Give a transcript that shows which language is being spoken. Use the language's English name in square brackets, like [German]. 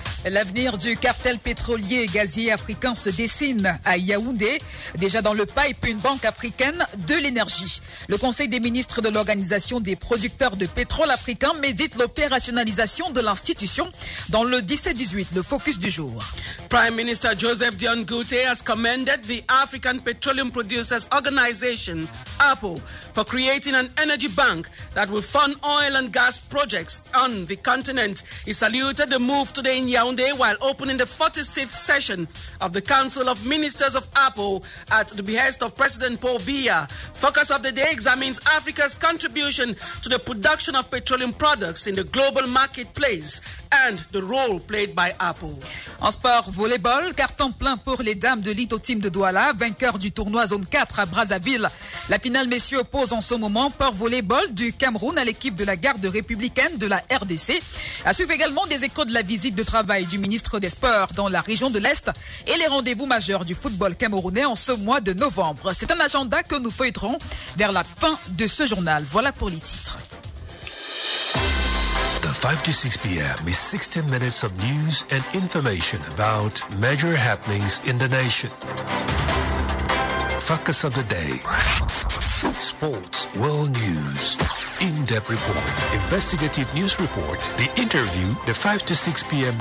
[French] L'avenir du cartel pétrolier et gazier africain se dessine à Yaoundé. Déjà dans le pipe, une banque africaine de l'énergie. Le conseil des ministres de l'Organisation des producteurs de pétrole africain médite l'opérationnalisation de l'institution dans le 17-18, le focus du jour. [English] Prime Minister Joseph Dion Goute has commended the African Petroleum Producers Organization, APO, for creating an energy bank that will fund oil and gas projects on the continent. He saluted the move today in Yaoundé while opening the 46th session of the Council of Ministers of APO at the behest of President Paul Biya. Focus of the day examines Africa's contribution to the production of petroleum products in the global marketplace and the role played by APO. [French] En sport, volleyball, carton plein pour les dames de l'Ito Team de Douala, vainqueur du tournoi Zone 4 à Brazzaville. La finale, messieurs, oppose en ce moment Port Volleyball du Cameroun à l'équipe de la garde républicaine de la RDC. À suivre également des échos de la visite de travail du ministre des Sports dans la région de l'Est et les rendez-vous majeurs du football camerounais en ce mois de novembre. C'est un agenda que nous feuilleterons vers la fin de ce journal. Voilà pour les titres. [English] The 5 to 6 p.m. is 16 minutes of news and information about major happenings in the nation. Focus of the day. Sports, world news, in-depth report, investigative news report, the interview, the 5 to 6 p.m.